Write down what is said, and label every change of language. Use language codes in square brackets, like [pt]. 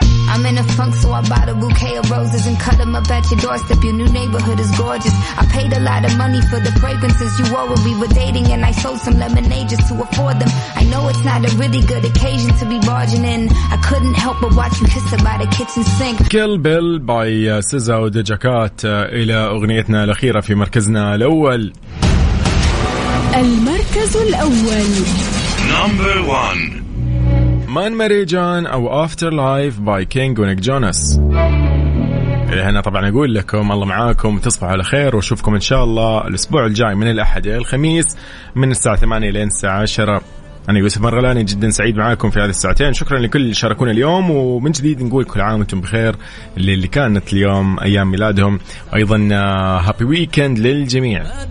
[en] I'm in a funk, so I bought a bouquet of roses and cut them up at your doorstep. Your new neighborhood is gorgeous. I paid a lot of money for the fragrances you wore when we were dating, and I sold some lemonade just to afford them. I know it's not a really good occasion to be barging in. I couldn't help but watch you kiss her by the kitchen sink. Kill Bill by SZA and Doja Cat. [ar] إلى أغنيتنا الأخيرة في مركزنا الأول. المركز الأول. [en] Number one. Man Marijan أو Afterlife by King ونيك Jonas. [ar] إلى هنا طبعا أقول لكم الله معاكم، تصبحوا على خير وأشوفكم إن شاء الله الأسبوع الجاي من الأحد إلى الخميس من الساعة 8 إلى الساعة 10. أنا يوسف مرغلاني جدا سعيد معاكم في هذه الساعتين، شكرا لكل اللي شاركونا اليوم، ومن جديد نقول كل عام وانتم بخير للي كانت اليوم أيام ميلادهم، أيضا [en] happy weekend [ar] للجميع.